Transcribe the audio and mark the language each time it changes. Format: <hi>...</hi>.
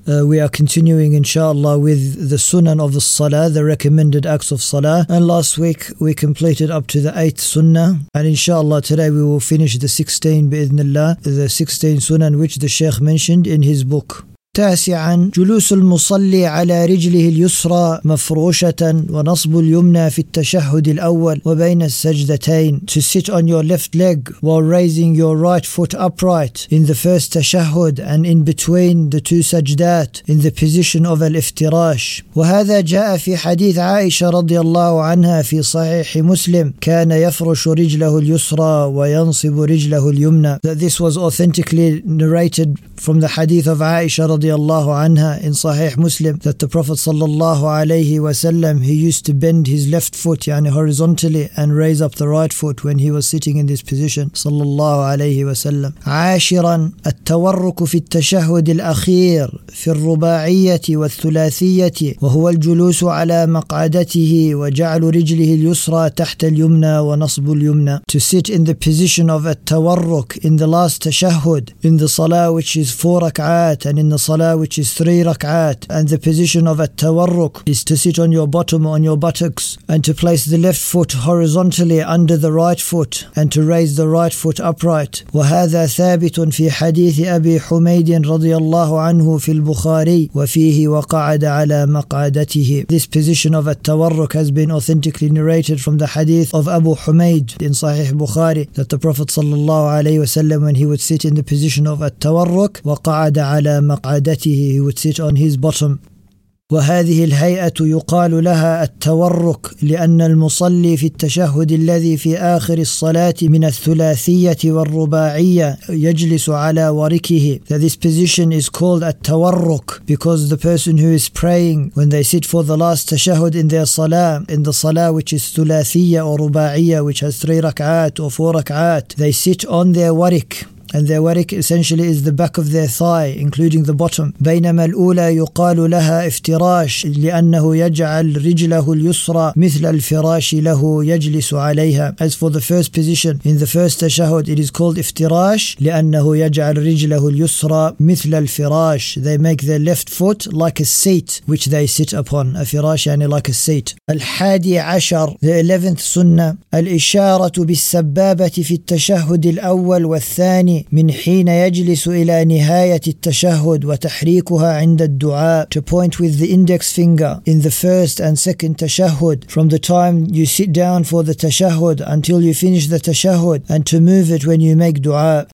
<en>We are continuing, inshallah, with the sunan of the salaah, the recommended acts of salaah. And last week we completed up to the 8th sunnah. And inshallah, today we will finish the 16, bi'idhnillah, the 16 sunan which the Shaykh mentioned in his book.</en> <ar>تاسعا جلوس المصلي على رجله اليسرى مفروشة ونصب اليمنى في التشهد الأول وبين السجدتين.</ar> <en>To sit on your left leg while raising your right foot upright in the first تشهد and in between the two سجدات in the position of al-iftiraash.</en> <ar>وهذا جاء في حديث عائشة رضي الله عنها في صحيح مسلم كان يفرش رجله اليسرى وينصب رجله اليمنى.</ar> <en>That this was authentically narrated from the hadith of Aisha radiallahu anha in Sahih Muslim, that the Prophet sallallahu alayhi wasallam, he used to bend his left foot, yani horizontally, and raise up the right foot when he was sitting in this position, sallallahu alayhi wasallam.</en> <ar>عاشراً التورك في التشهد الأخير في الرباعية والثلاثية وهو الجلوس على مقعدته وجعل رجله اليسرى تحت اليمنى ونصب اليمنى.</ar> <en>To sit in the position of التورك in the last تشهد, in the salah which is 4 rak'at, and in the salah which is 3 rak'at, and the position of at-tawarruk is to sit on your bottom, on your buttocks, and to place the left foot horizontally under the right foot and to raise the right foot upright.</en> <ar>وهذا ثابت في حديث أبي حميد رضي الله عنه في البخاري وفيه وقعد على مقعدته.</ar> <en>This position of at-tawarruk has been authentically narrated from the hadith of Abu Humaid in Sahih Bukhari, that the Prophet sallallahu alayhi wasallam, when he would sit in the position of at-tawarruk,</en> <ar>وقعد على مقعدته,</ar> <en>he would sit on his bottom.</en> <ar>وهذه الهيئة يقال لها التورك لأن المصلي في التشهد الذي في آخر الصلاة من الثلاثية والرباعية يجلس على وركه.</ar> <en>That this position is called التورك because the person who is praying when they sit for the last تشهد in their salah, in the salah which is ثلاثية or رباعية, which has 3 ركعات or 4 ركعات, they sit on their ورك. And their warik essentially is the back of their thigh, including the bottom.</en> <ar>بينما الأولى يقال لها افتراش لأنه يجعل رجله اليسرى مثل الفراش له يجلس عليها.</ar> <en>As for the first position, in the first تشهد, it is called</en> <ar>افتراش لأنه يجعل رجله اليسرى مثل الفراش.</ar> <en>They make their left foot like a seat which they sit upon. A</en> <ar>فراش يعني</ar> <en>like a seat.</en> <ar>الحادي عشر,</ar> <en>the 11th</en> <ar>سنة, الإشارة بالسبابة في التشهد الأول والثاني من حين يجلس إلى نهاية التشهد وتحريكها عند الدعاء.</ar> <en>To point with the index finger in the first and second تشهد, from the time you sit down for the تشهد until you finish the تشهد, and to move it when you make دعاء.</en>